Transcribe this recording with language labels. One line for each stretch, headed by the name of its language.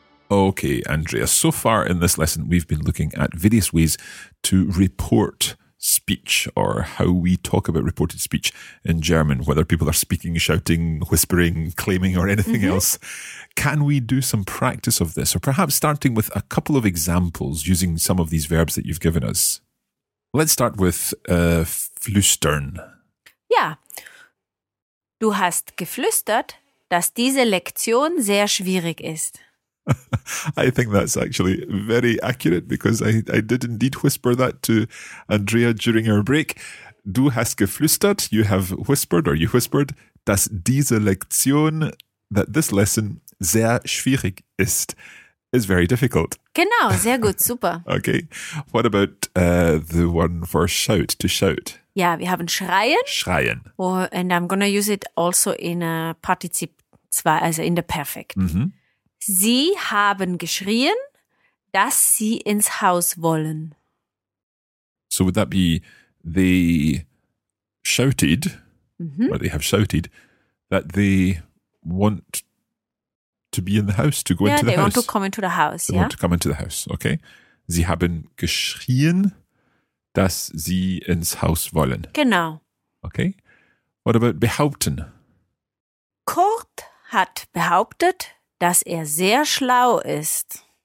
English: Okay, Andrea, so far in this lesson, we've been looking at various ways to report speech, or how we talk about reported speech in German, whether people are speaking, shouting, whispering, claiming, or anything else. Can we do some practice of this, or perhaps starting with a couple of examples using some of these verbs that you've given us? Let's start with flüstern. Yeah.
German: Du hast geflüstert, dass diese Lektion sehr schwierig ist.
English: I think that's actually very accurate, because I did indeed whisper that to Andrea during our break.
German: Du hast geflüstert,
English: you have whispered, or you whispered,
German: dass diese Lektion,
English: that this lesson,
German: sehr schwierig ist,
English: is very difficult.
German: Genau, sehr gut, super.
English: Okay, what about the one for shout, to shout?
German: Yeah, wir haben schreien. Schreien.
English: Oh, and I'm going to use it also in a Partizip 2, also in the perfect. Mm-hmm.
German: Sie haben geschrien, dass sie ins Haus wollen.
English: So would that be, they shouted, or they have shouted, that they want to be in the house, to go into the house? Yeah, they want to come into the house, They want to come into the house, okay.
German: Sie haben geschrien, dass sie ins Haus wollen. Genau.
English: Okay. What about behaupten?
German: Kurt hat behauptet, dass er sehr schlau ist.